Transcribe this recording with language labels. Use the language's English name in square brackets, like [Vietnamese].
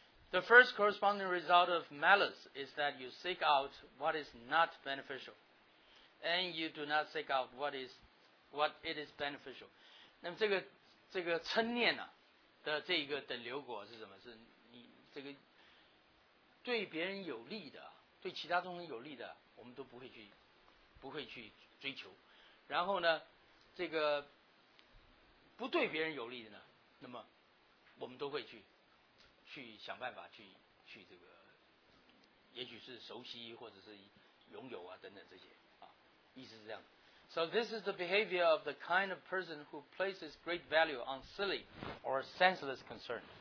[English] The first corresponding result of malice is that you seek out what is not beneficial, and you do not seek out what it is beneficial. [Chinese] 那么这个嗔念呢、啊、的这一个等流果是什么？是你这个对别人有利的，对其他众生有利的，我们都不会去追求。然后呢，这个不对别人有利的呢，那么我们都会去想办法去这个，也许是熟悉或者是拥有啊等等这些啊，意思是这样的。 [English] So this is the behavior of the kind of person who places great value on silly or senseless concern.